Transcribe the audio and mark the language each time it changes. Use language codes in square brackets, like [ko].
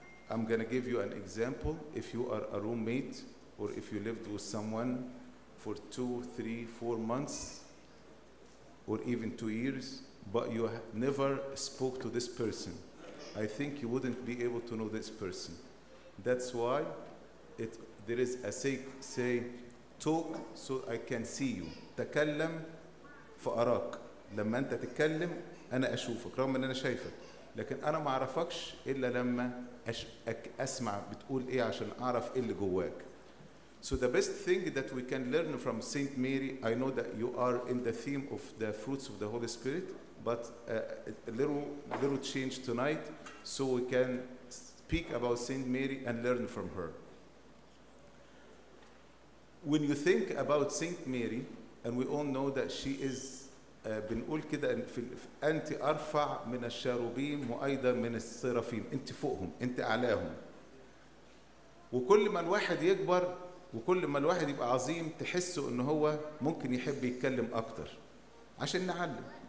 [en] I'm gonna give you an example. If you are a roommate or if you lived with someone for 2, 3, 4 months or even 2 years, but you never spoke to this person, I think you wouldn't be able to know this person. That's why there is a say, talk so I can see you. [ar] تكلم فأراك. لما أنت تتكلم أنا أشوفك رغم أن أنا شايفك. لكن أنا ما أعرفكش إلا لما أسمع بتقول إيه عشان أعرف إيه اللي جواك. [en] So the best thing that we can learn from Saint Mary, I know that you are in the theme of the fruits of the Holy Spirit, but a little change tonight so we can speak about Saint Mary and learn from her. When you think about Saint Mary, and we all know that she is [ar] بنقول كده في انت ارفع من الشاروبيم وايضا من السرافيم، انت فوقهم انت اعلاهم. وكل ما الواحد يكبر وكل ما الواحد يبقى عظيم تحسه ان هو ممكن يحب يتكلم اكتر عشان نعلم.